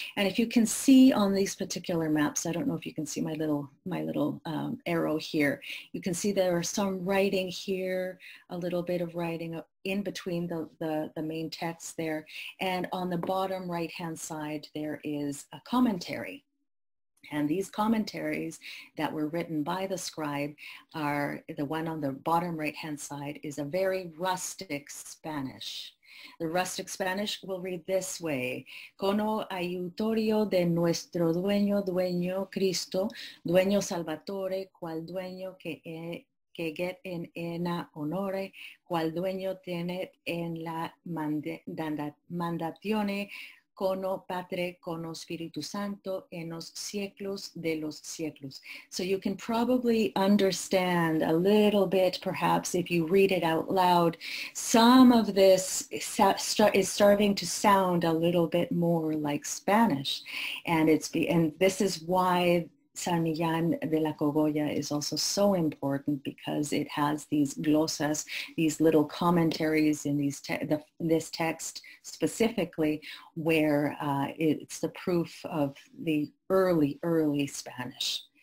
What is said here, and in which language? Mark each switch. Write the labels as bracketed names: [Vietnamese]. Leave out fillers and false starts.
[English] And if you can see on these particular maps, I don't know if you can see my little arrow here, you can see there are some writing here, a little bit of writing in between the main text there. And on the bottom right-hand side, there is a commentary. And these commentaries that were written by the scribe, are the one on the bottom right-hand side is a very rustic Spanish. The rustic Spanish will read this way: [Spanish] Cono ayutorio de nuestro dueño, dueño Cristo, dueño Salvatore, cual dueño que get en ena honore, cual dueño tenet en la mandatione, cono patre, cono Spiritu Santo, en los siglos de los siglos. [English] So you can probably understand a little bit, perhaps, if you read it out loud, some of this is starting to sound a little bit more like Spanish. And this is why San Millán de la Cogolla is also so important because it has these glosas, these little commentaries in these this text specifically, where it's the proof of the early Spanish.